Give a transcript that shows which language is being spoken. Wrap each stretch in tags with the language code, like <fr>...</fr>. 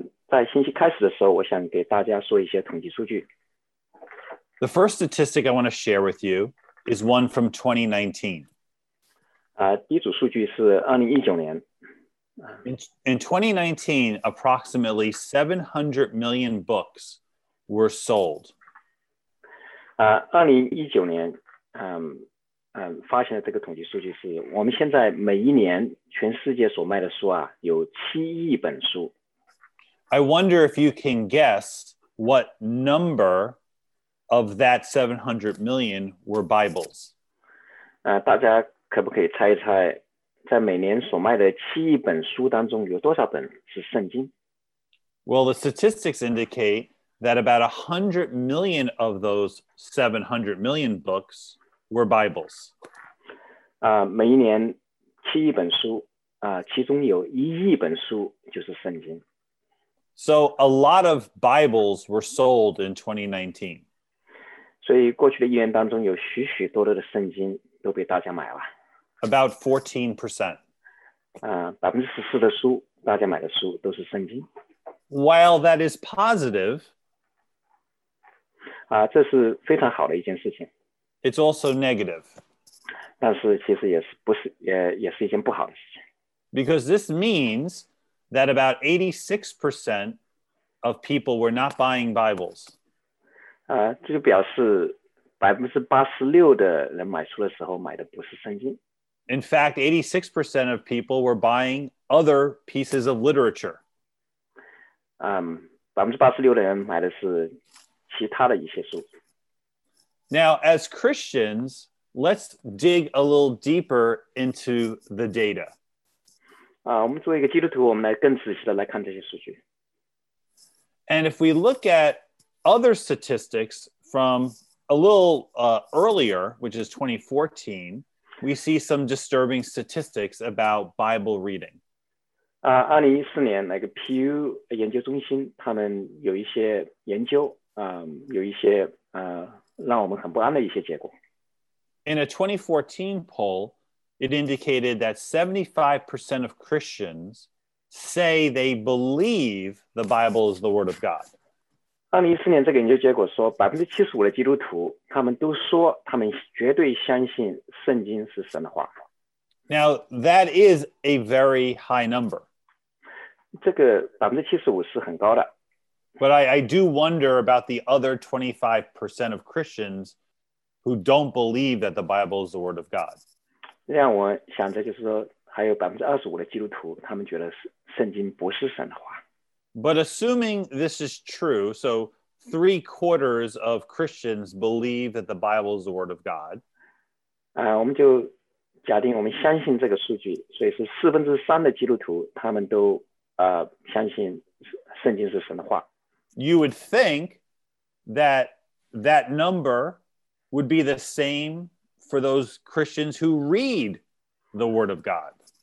<zh>在信息开始的时候，我想给大家说一些统计数据。</zh> <en>The first statistic I want to share with you is one from 2019.</en> <zh>第一组数据是2019年。</zh> <en>In 2019, approximately 700 million books were sold.</en> <zh>2019年，发行的这个统计数据是，我们现在每一年全世界所卖的书啊，有七亿本书。</zh> <en>I wonder if you can guess what number of that 700 million were Bibles.</en> <zh>大家可不可以猜一猜，在每年所卖的七亿本书当中，有多少本是圣经？</zh> <en>Well, the statistics indicate that about 100 million of those 700 million books were Bibles.</en> <zh>每一年七亿本书，其中有一亿本书就是圣经。</zh> <en>So a lot of Bibles were sold in 2019.</en> <zh>所以过去的一年当中，有许许多多的圣经都被大家买了。</zh> <en>About 14%.</en> <zh>14% 的书，大家买的书都是圣经。</zh> <en>While that is positive,</en> <zh>这是非常好的一件事情。</zh> <en>It's also negative.</en> <zh>但是其实也是不是也也是一件不好的事情。</zh> <en>Because this means that about 86% of people were not buying Bibles.</en> <zh>这就表示86%的人买书的时候买的不是圣经。</zh> <en>In fact, 86% of people were buying other pieces of literature.</en> <zh>86%的人买的是其他的一些书。</zh> <en>Now, as Christians, let's dig a little deeper into the data.</en> <zh>我们作为一个基督徒，我们来更仔细的来看这些数据。</zh> <en>And if we look at other statistics from a little earlier, which is 2014, we see some disturbing statistics about Bible reading.</en> <zh>2014年，那个 Pew 研究中心他们有一些研究，有一些让我们很不安的一些结果。</zh> <en>In a 2014 poll, it indicated that 75% of Christians say they believe the Bible is the Word of God.</en> <zh>2014年这个研究结果说75%的基督徒他们都说他们绝对相信圣经是神的话。</zh> <en>Now, that is a very high number.</en> <zh>这个75%是很高的。</zh> <en>But I do wonder about the other 25% of Christians who don't believe that the Bible is the Word of God.</en> <zh>让我想着就是说，还有25%的基督徒，他们觉得圣经不是神的话。</zh> <en>But assuming this is true, so 75% of Christians believe that the Bible is the Word of God.</en> <zh>我们就假定我们相信这个数据，所以是3/4的基督徒，他们都相信圣经是神的话。</zh> <en>You would think that that number would be the same for those Christians who read the Word of God.</en>